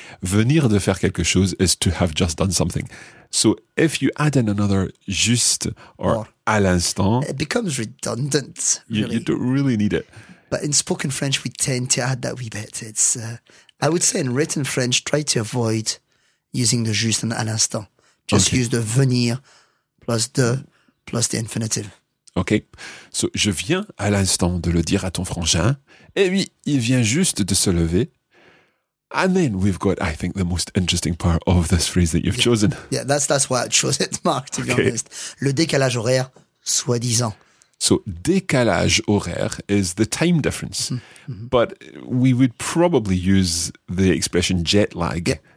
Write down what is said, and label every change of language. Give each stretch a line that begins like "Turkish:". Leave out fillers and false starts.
French: Venir de faire quelque chose
English: is to have just done something. So if you add in another juste or à l'instant, it becomes redundant. Really. You don't really need it. But in spoken French, we tend to add that wee bit. It's, I would say in written French, try to avoid using the juste and à l'instant. Use the venir plus de plus the infinitive. Okay.
French: So, je viens à l'instant de le dire à ton frangin. Et oui, il vient juste de se lever.
English: And then we've got, I think, the most interesting part of this phrase that you've chosen. Yeah, that's why I chose it, Mark, to be honest.
French: Le décalage horaire, soi-disant.
English: So, décalage horaire is the time difference. Mm-hmm. But we would probably use the expression jet lag.